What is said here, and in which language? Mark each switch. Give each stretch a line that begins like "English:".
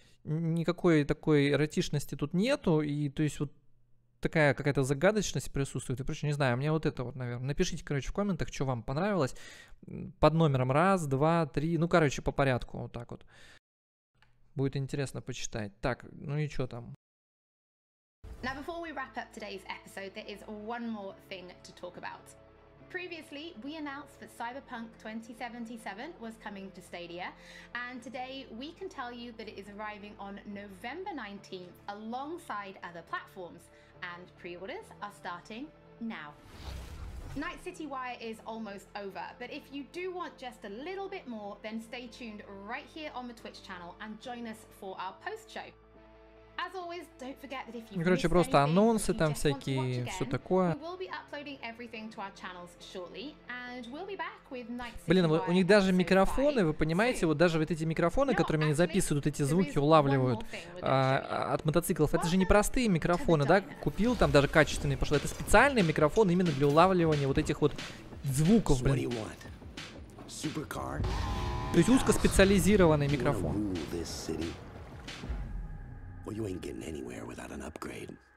Russian: Никакой такой эротичности тут нету. И, то есть, вот такая какая-то загадочность присутствует и прочее. Не знаю, мне вот это вот, наверное. Напишите, короче, в комментах, что вам понравилось. Под номером 1, 2, 3. Ну, короче, по порядку, вот так вот. Будет интересно почитать. Так, ну и что там?
English: Now, before we wrap up today's episode, there is one more thing to talk about. Previously, we announced that Cyberpunk 2077 was coming to Stadia, and today we can tell you that it is arriving on November 19th alongside other platforms, and pre-orders are starting now. Night City Wire is almost over, but if you do want just a little bit more, then stay tuned right here on the Twitch channel and join us for our post show. As always, don't forget that if you miss anything,
Russian: просто анонсы там всякие, все такое.
English: We will be uploading everything to our channels shortly, and we'll be back with Night City.
Russian: Блин, у них даже микрофоны, вы понимаете, вот даже вот эти микрофоны, которыми они записывают эти звуки, улавливают от мотоциклов, это же не простые микрофоны, да? Купил там даже качественные, пошло. Это специальный микрофон именно для улавливания вот этих вот звуков, блин. То есть узкоспециализированный микрофон.
English: Well, you ain't getting anywhere without an upgrade.